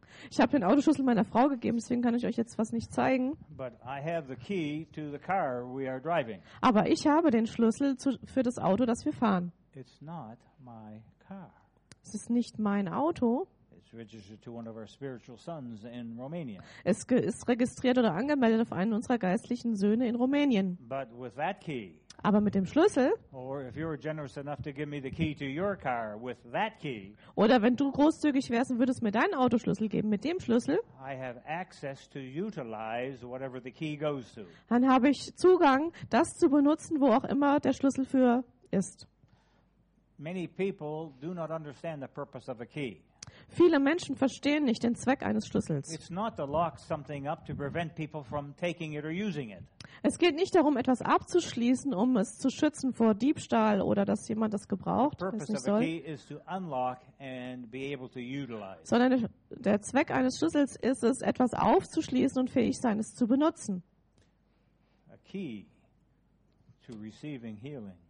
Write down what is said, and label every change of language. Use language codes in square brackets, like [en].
[de] Ich habe den Autoschlüssel meiner Frau gegeben, deswegen kann ich euch jetzt was nicht zeigen. [en] But I have the key to the car we are driving. [de] Aber ich habe den Schlüssel für das Auto, das wir fahren. [en] It's not my car. [de] Es ist nicht mein Auto. [en] Registered to one of our spiritual sons in Romania. [de] Es ist registriert oder angemeldet auf einen unserer geistlichen Söhne in Rumänien. [en] But with that key, [de] aber mit dem Schlüssel, [en] or if you were generous enough to give me the key to your car with that key, [de] oder wenn du großzügig wärst und würdest mir deinen Autoschlüssel geben mit dem Schlüssel, [en] I have access to utilize whatever the key goes to. [de] Dann habe ich Zugang, das zu benutzen, wo auch immer der Schlüssel für ist. [en] Many people do not understand the purpose of a key. [de] Viele Menschen verstehen nicht den Zweck eines Schlüssels. [en] It's not to lock something up to prevent people from taking it or using it. [de] Es geht nicht darum, etwas abzuschließen, um es zu schützen vor Diebstahl oder dass jemand das gebraucht, es nicht soll. [en] The purpose of a key is to unlock and be able to utilize. [de] Sondern der Zweck eines Schlüssels ist es, etwas aufzuschließen und fähig sein, es zu benutzen. [en] A key to receiving healing.